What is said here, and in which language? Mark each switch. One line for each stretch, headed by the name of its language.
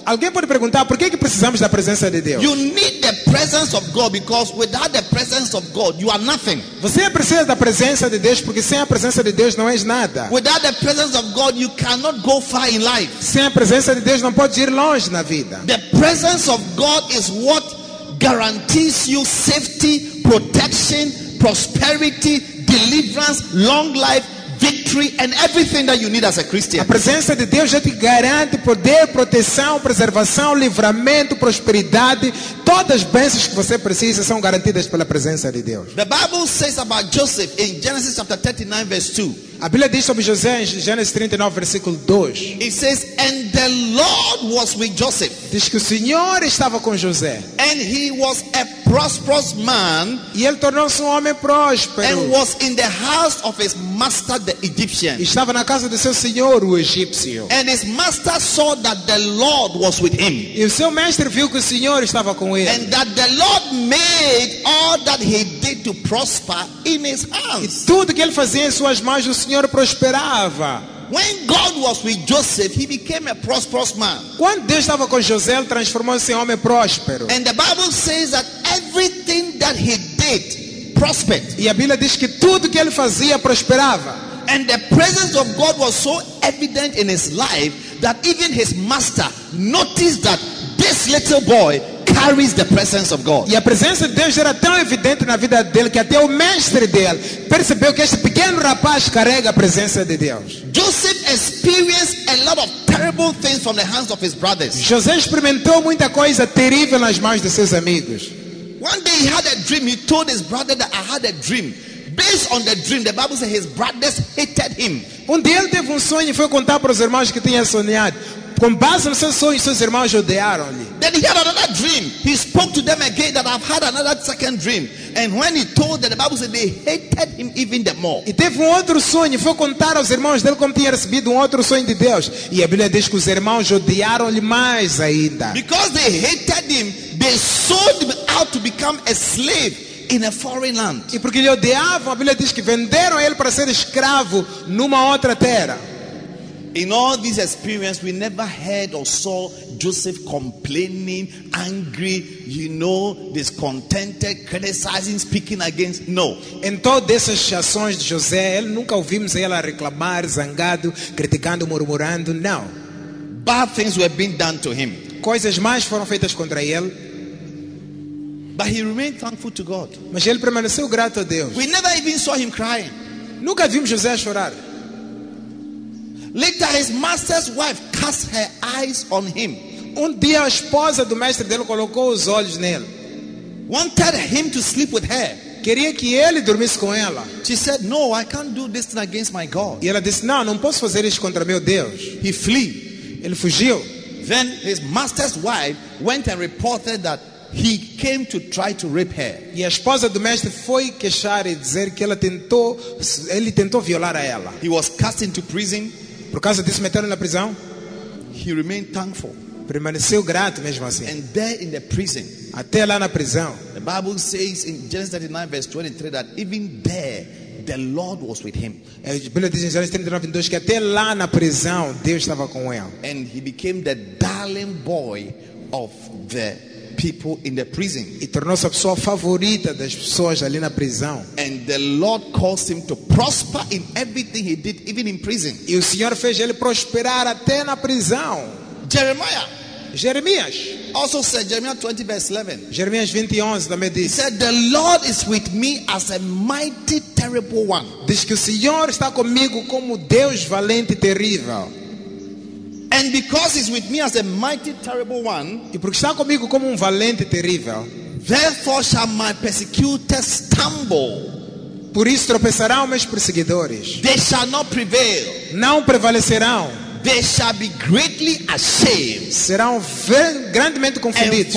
Portuguese: Alguém pode perguntar, por que que precisamos da presença de Deus?
English: You need the presence of God because without the presence of God, you are nothing.
Portuguese: Você precisa da presença de Deus porque sem a presença de Deus não és nada.
English: Without the presence of God, you cannot go far in life.
Portuguese: Sem a presença de Deus não podes ir longe na vida.
English: The presence of God is what guarantees you safety, protection, prosperity, deliverance, long life, victory, and everything that you need as a Christian.
Portuguese: A presença de Deus já te garante poder, proteção, preservação, livramento, prosperidade. Todas as bênçãos que você precisa são garantidas pela presença de Deus.
English: The Bible says about Joseph in Genesis chapter 39 verse 2.
Portuguese: A Bíblia diz sobre José em Gênesis 39 versículo 2.
English: It says, and the Lord was with Joseph.
Portuguese: Diz que o Senhor estava com José.
English: And he was a prosperous man.
Portuguese: E ele tornou-se um homem próspero.
English: And was in the house of his master the Egyptian.
Portuguese: E estava na casa do seu senhor o egípcio.
English: And his master saw that the Lord was with him.
Portuguese: E o seu mestre viu que o Senhor estava com ele.
English: And that the Lord made all that he did to prosper in his hands.
Portuguese: E tudo que ele fazia em suas mãos, o Senhor prosperava.
English: When God was with Joseph, he became a prosperous man.
Portuguese: Quando Deus estava com José, ele transformou-se em homem próspero.
English: And the Bible says that everything that he did prospered.
Portuguese: E a Bíblia diz que tudo que ele fazia prosperava.
English: And the presence of God was so evident in his life that even his master noticed that this little boy carries the presence of God.
Portuguese: E a presença de Deus era tão evidente na vida dele que até o mestre dele percebeu que este pequeno rapaz carrega a presença de Deus.
English: Joseph experienced a lot of terrible things from the hands of his brothers.
Portuguese: José experimentou muita coisa terrível nas mãos de seus amigos.
English: One day he had a dream. He told his brother that I had a dream. Based on the dream, the Bible says his brothers hated him.
Portuguese: Um dia ele teve um sonho e foi contar para os irmãos que tinha sonhado. Com base nos seus sonhos, seus irmãos odiaram-lhe.
English: Then he had another dream. He spoke to them again that I've had another second dream. And when he told them, the Bible said they hated him even the more.
Portuguese: E teve outro sonho, foi contar aos irmãos dele como tinha recebido outro sonho de Deus. E a Bíblia diz que os irmãos odiaram-lhe mais ainda.
English: Because they hated him, they sold him out to become a slave in a foreign land.
Portuguese: E porque lhe odiavam, a Bíblia diz que venderam ele para ser escravo numa outra terra.
English: In all this experience, we never heard or saw Joseph complaining, angry, you know, discontented, criticizing, speaking against. No.
Portuguese: Em todas essas ações de José, nunca ouvimos ele a reclamar, zangado, criticando, murmurando. Não.
English: Bad things were being done to him.
Portuguese: Coisas más foram feitas contra ele.
English: But he remained thankful to God.
Portuguese: Mas ele permaneceu grato a Deus.
English: We never even saw him crying.
Portuguese: Nunca vimos José a chorar.
English: Later, his master's wife cast her eyes on him.
Portuguese: Um dia, a esposa do mestre dele colocou os olhos nele.
English: Wanted him to sleep with her.
Portuguese: Queria que ele dormisse com ela.
English: She said, "No, I can't do this thing against my God."
Portuguese: E ela disse, "Não, não posso fazer isso contra meu Deus."
English: He flee.
Portuguese: Ele fugiu.
English: Then his master's wife went and reported that he came to try to rape her.
Portuguese: E a esposa do mestre foi queixar e dizer que ele tentou violar a ela.
English: He was cast into prison.
Portuguese: Por causa disso, meteram na prisão.
English: He remained thankful.
Portuguese: Permaneceu grato mesmo assim.
English: And there in the prison,
Portuguese: até lá na prisão.
English: The Bible says in Genesis 39 verse 23 that even there the Lord was with him.
Portuguese: A Bíblia diz em Gênesis 39:22 que até lá na prisão Deus estava com ele.
English: And he became the darling boy of the people in the prison.
Portuguese: E tornou-se a pessoa favorita das pessoas ali na prisão.
English: And the Lord caused him to prosper in everything he did, even in prison.
Portuguese: E o Senhor fez ele prosperar até na prisão.
English: Jeremias. Also said Jeremiah 20 verse 11.
Portuguese: Jeremias 20:11 também diz.
English: He said, "The Lord is with me as a mighty, terrible one."
Portuguese: Diz que o Senhor está comigo como Deus valente e terrível.
English: And because he's with me as a mighty, terrible one,
Portuguese: e porque está comigo como valente e terrível,
English: therefore shall my persecutors stumble.
Portuguese: Por isso tropeçarão meus perseguidores.
English: They shall not prevail.
Portuguese: Não prevalecerão.
English: They shall be greatly ashamed.
Portuguese: Serão grandemente confundidos.